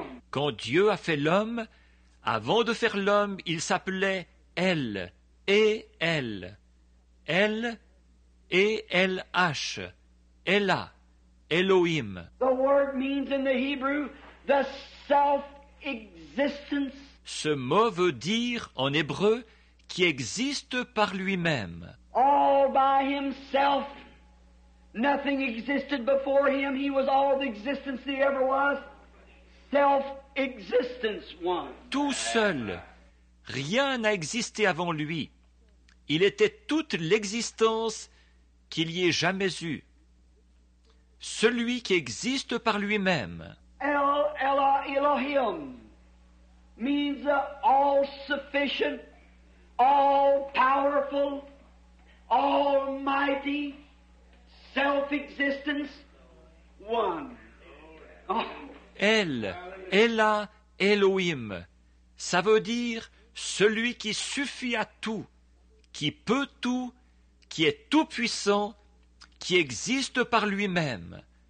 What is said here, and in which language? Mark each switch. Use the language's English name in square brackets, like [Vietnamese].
[French] Quand Dieu a fait l'homme, avant de faire l'homme, il s'appelait El, E-L, El, E-L-H, Ella, Elohim. [English] The word means in the Hebrew, the self-existence. [French] Ce mot veut dire en hébreu, qui existe par lui-même. [English] All by himself, nothing existed before him, he was all the existence he ever was. Self-existence one. [French] Tout seul, rien n'a existé avant lui. Il était toute l'existence qu'il y ait jamais eu. Celui qui existe par lui-même. [English] Elohim means all-sufficient, all-powerful, almighty, self-existence one. Oh. [French] Ella Elohim, ça veut dire celui qui suffit à tout, qui peut tout, qui est tout puissant, qui existe par lui-même.